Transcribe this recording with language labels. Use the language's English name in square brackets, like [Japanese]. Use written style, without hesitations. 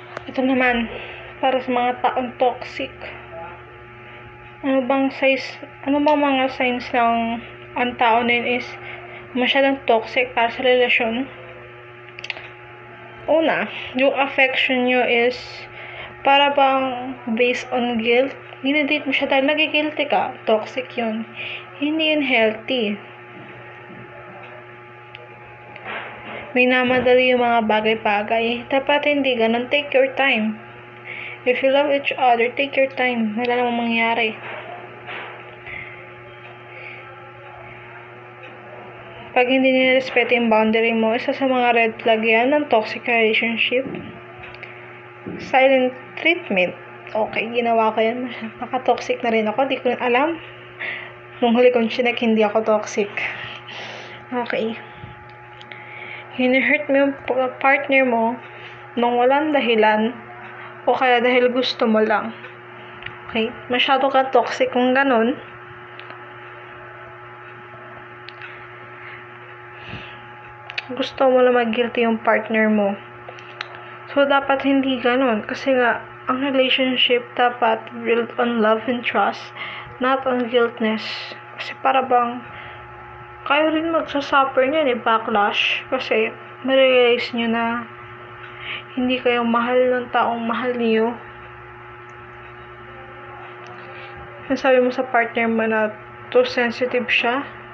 [Filipino] Ito naman, para sa mga taong toxic. Ano bang mga signs ng ang tao na yun is masyadong toxic para sa relasyon? Una, yung affection nyo is para bang based on guilt. Ginadate mo siya dahil nagigilty ka. Toxic yun. Hindi yun healthy. May namadali yung mga bagay-bagay. Dapat hindi ganun. [English] Take your time. If you love each other, take your time. [Filipino] Wala namang mangyari. Pag hindi nirespeto yung boundary mo, isa sa mga red flag yan ng toxic relationship. Silent treatment. Okay, ginawa ko yan. Nakatoxic na rin ako. Di ko rin alam. Nung huli kong chinek, hindi ako toxic. Okay. Hinihurt mo yung partner mo nung walang dahilan o kaya dahil gusto mo lang. Okay? Masyado ka toxic kung ganun. Gusto mo lang mag-guilty yung partner mo. So, dapat hindi ganun. Kasi nga, ang [English] relationship [Filipino] dapat [English] built on love and trust, not on guiltness. [Filipino] Kasi para bang kayo rin magsasuffer niyan eh, backlash. Kasi ma-realize niyo na hindi kayo mahal ng taong mahal niyo. Sabi mo sa partner mo na [English] too sensitive [Filipino] siya.